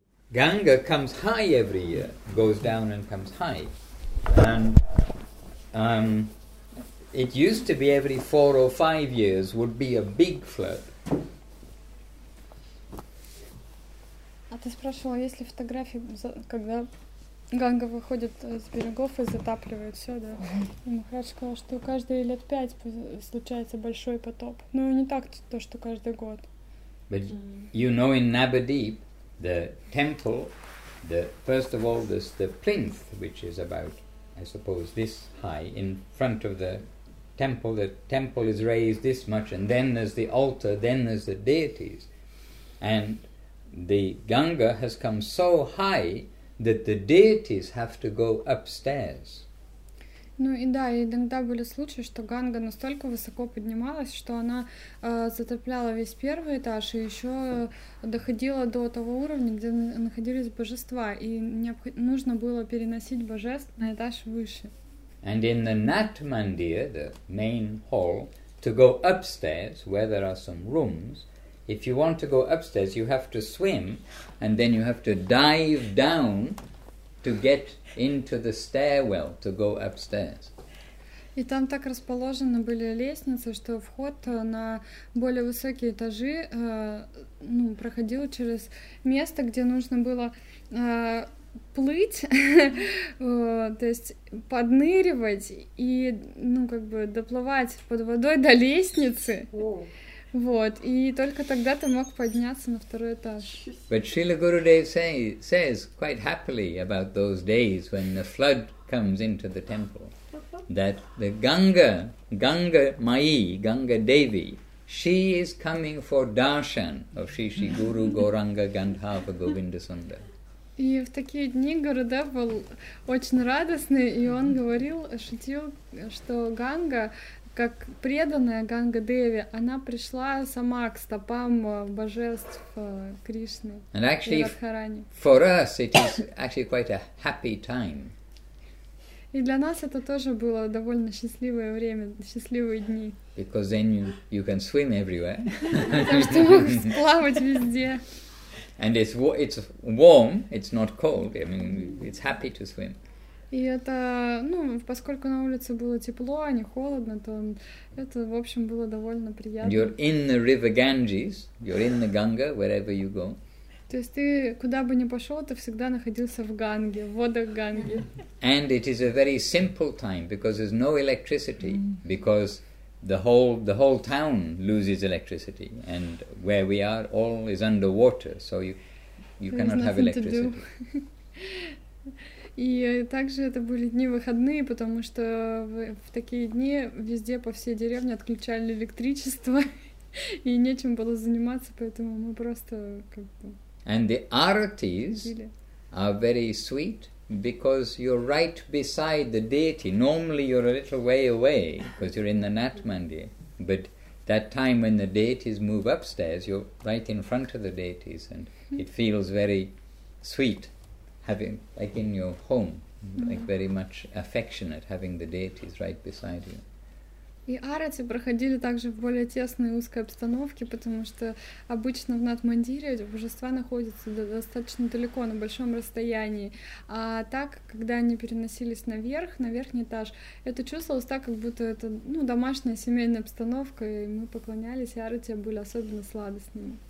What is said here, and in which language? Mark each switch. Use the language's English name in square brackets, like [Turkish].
[English] Ganga comes high every year, goes down and comes high. And it used to be every 4 or 5 years would be a big flood. [Russian] А ты спрашивала, есть ли фотографии, когда Ганга выходит с берегов и затапливает все, да? И Махарадж сказал, что каждые лет 5 случается большой потоп. Ну, не так то, что каждый год. [English] But you know in Nabadeep, the temple, the first of all, there's the plinth, which is about, I suppose, this high in front of the temple. The temple is raised this much, and then there's the altar, then there's the deities. And the Ganga has come so high that the deities have to go upstairs. [Russian] Ну и да, и иногда были случаи, что Ганга настолько высоко поднималась, что она затопляла весь первый этаж и еще доходила до того уровня, где находились божества, и нужно было переносить божеств на этаж выше. [English] And in the Nat Mandir, the main hall, to go upstairs, where there are some rooms, if you want to go upstairs, you have to swim, and then you have to dive down to get into the stairwell to go upstairs. [Russian] И там так расположены были лестницы, что вход на более высокие этажи проходил через место, где нужно было плыть, то есть подныривать и доплывать под водой до лестницы. Вот, и только тогда ты мог подняться на второй этаж. [English] But Srila Gurudev says quite happily about those days when the flood comes into the temple, that the Ganga Mayi, Ganga Devi, she is coming for darshan of Shri Shri Guru Gauranga Gandhava Govinda Sundar. [Russian] И в такие дни Гуруда был очень радостный, и он говорил, шутил, что Ганга, как преданная Ганга Деви, она пришла сама к стопам божеств Кришны. [English] And actually, for us, it is actually quite a happy time. [Russian] И для нас это тоже было довольно счастливое время, счастливые дни. [English] Because then you can swim everywhere. [Russian] Потому что мог плавать везде. [English] And it's warm, it's not cold. I mean, it's happy to swim. [Russian] И это, поскольку на улице было тепло, а не холодно, то это, в общем, было довольно приятно. [English] You're in the river Ganges, you're in the Ganga, wherever you go. [Russian] То есть ты куда бы ни пошел, ты всегда находился в Ганге, в водах Ганги. [English] And it is a very simple time, because there's no electricity, because the whole town loses electricity, and where we are, all is under water, so you cannot have electricity. [Russian] И также это были дни выходные, потому что в такие дни везде по всей деревне отключали электричество, и нечем было заниматься, поэтому мы просто [English] And the aratis are very sweet, because you're right beside the deity. Normally you're a little way away, because you're in the Nat Mandir. But that time when the deities move upstairs, you're right in front of the deities, and it feels very sweet. Having, like in your home, like very much affectionate, having the deities right beside you. [Russian] И арати проходили также в более тесной и узкой обстановке, потому что обычно в Натмандире божества находятся достаточно далеко, на большом расстоянии. А так, когда они переносились наверх, на верхний этаж, это чувствовалось так, как будто это домашняя семейная обстановка, и мы поклонялись, и арати были особенно сладостными.